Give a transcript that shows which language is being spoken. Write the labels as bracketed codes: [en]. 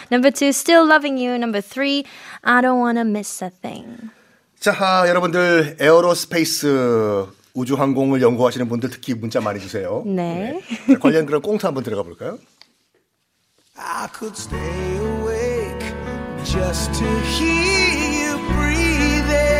[en] Number two, still loving you. Number three, I don't want to miss a thing. [ko] 자, 여러분들 에어로스페이스 우주항공을 연구하시는 분들 특히 문자 많이 주세요. 네. 네. 관련 그런 꽁트 한번 들어가 볼까요? [en] I could stay awake just to hear you breathing.